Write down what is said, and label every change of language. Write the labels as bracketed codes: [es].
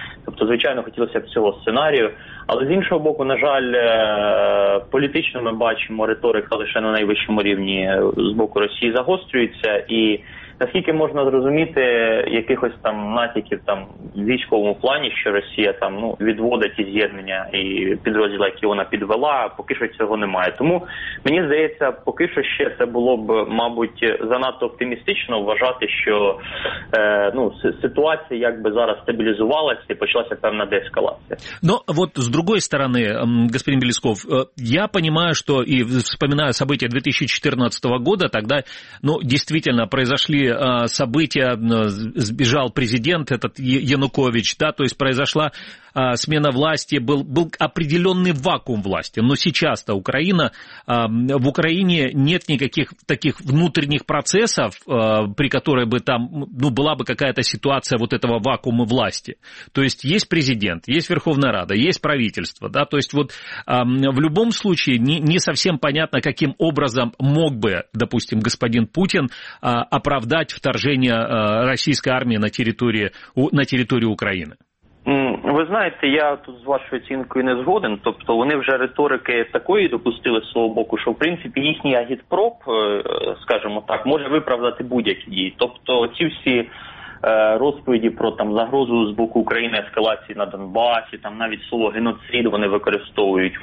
[uk] Тобто, звичайно, хотілося б цього сценарію. Але з іншого боку, на жаль, політично ми бачимо, риторика лише на найвищому рівні з боку Росії загострюється, і наскільки можна зрозуміти якихось там натяків там в військовому плані, що Росія там відводить з'єднання і підрозділа, які вона підвела, поки що цього немає. Тому мені здається, поки що ще це було б, мабуть, занадто оптимістично вважати, що ситуація якби зараз стабілізувалася і почалася певна деескалація. Ну от з другої сторони, [ru] господин Белесков, [uk] я розумію, що і [ru] вспоминаю события 2014 [uk] року, тоді дійсно [ru] произошли события, сбежал президент этот Янукович, да, то есть произошла смена власти, был определенный вакуум власти, но сейчас-то Украина, в Украине нет никаких таких внутренних процессов, при которой бы там, была бы какая-то ситуация вот этого вакуума власти. То есть есть президент, есть Верховная Рада, есть правительство, да, то есть вот в любом случае не совсем понятно, каким образом мог бы, допустим, господин Путин оправдать вторжение российской армии на территорию Украины. [uk] Ви знаєте, я тут з вашою оцінкою не згоден. Тобто вони вже риторики такої допустили з свого боку, що в принципі їхній агітпроп, скажімо так, може виправдати будь-які дії. Тобто ці всі розповіді про там загрозу з боку України, ескалації на Донбасі, там навіть слово геноцид вони використовують.